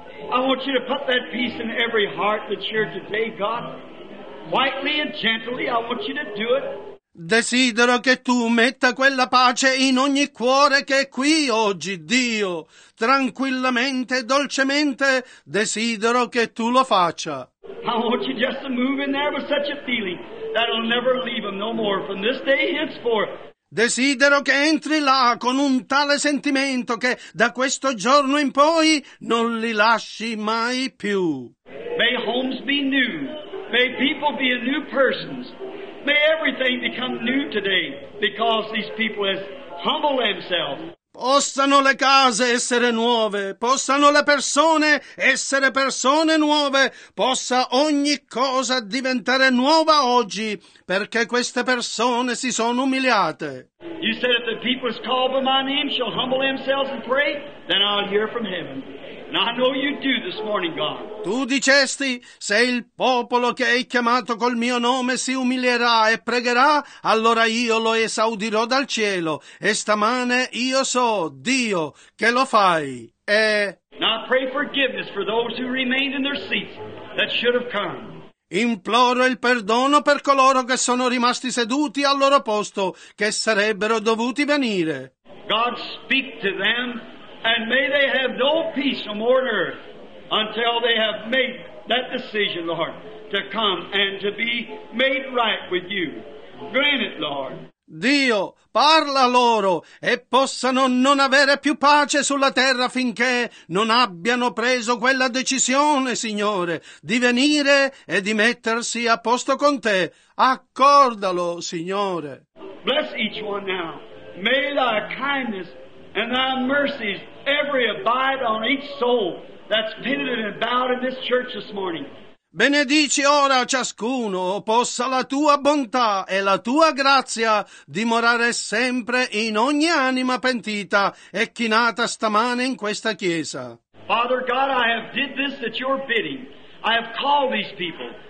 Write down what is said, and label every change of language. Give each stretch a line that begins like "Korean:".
English: I want you to put that peace in every heart that's here today, God. Quietly and gently, I want you to do it.
Italian: Desidero che tu metta quella pace in ogni cuore che è qui oggi, Dio. Tranquillamente, dolcemente, desidero che tu lo faccia.
English: I want you just to move in there with such a feeling that it'll never leave him no more from this day henceforth.
Italian: Desidero che entri là con un tale sentimento che da questo giorno in poi non li lasci mai più.
English: May homes be new. May people be a new persons. May everything become new today because these people have humbled themselves.
Italian: Possano le case essere nuove, possano le persone essere persone nuove, possa ogni cosa diventare nuova oggi perché queste persone si sono umiliate.
English: You said if the people is called by my name shall humble themselves and pray, then I'll hear from heaven. And I know you do this morning, God.
Italian: Tu dicesti, se il popolo che hai chiamato col mio nome si umilierà e pregherà, allora io lo esaudirò dal cielo. E stamane io so, Dio, che lo fai. E
English: now I pray forgiveness for those who remained in their seats that should have come.
Italian: Imploro il perdono per coloro che sono rimasti seduti al loro posto, che sarebbero dovuti venire.
English: God, speak to them. And may they have no peace no more on earth until they have made that decision, Lord, to come and to be made right with you. Grant it, Lord.
Italian: Dio, parla loro e possano non avere più pace sulla terra finché non abbiano preso quella decisione, Signore, di venire e di mettersi a posto con te. Accordalo, Signore.
English: Bless each one now. May thy kindness and thy mercies every abide on each soul that's penitent and bowed in this church this morning.
Italian: Benedici ora ciascuno, possa la tua bontà e la tua grazia dimorare sempre in ogni anima pentita e chinata stamane in questa chiesa.
English: Father God, I have did this at your bidding. I have called these people.